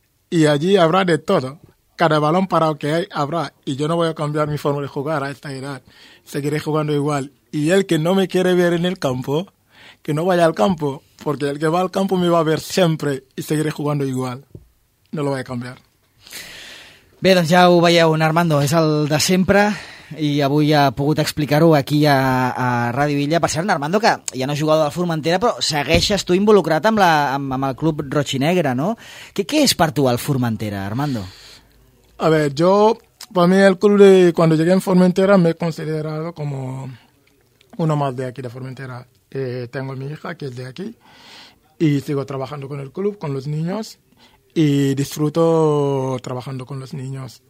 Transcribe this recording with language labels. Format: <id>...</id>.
<es>Y allí habrá de todo. Cada balón parado que hay, habrá. Y yo no voy a cambiar mi forma de jugar a esta edad. Seguiré jugando igual. Y el que no me quiere ver en el campo, que no vaya al campo. Porque el que va al campo me va a ver siempre y seguiré jugando igual. No lo voy a cambiar.</es> <ca>Bé, doncs ja ho veieu, en Armando, és el de sempre i avui ha pogut explicar-ho aquí a Ràdio Illa. Per cert, en Armando, que ja no és jugador del Formentera, però segueixes tu involucrat amb el club roig-i-negre, no? Què és per tu el Formentera, Armando?</ca> <es>A ver, yo, para mí el club, cuando llegué en Formentera, me he considerado como uno más de aquí de Formentera. Tengo a mi hija, que es de aquí, y sigo trabajando con el club, con los niños, y disfruto trabajando con los niños.</es>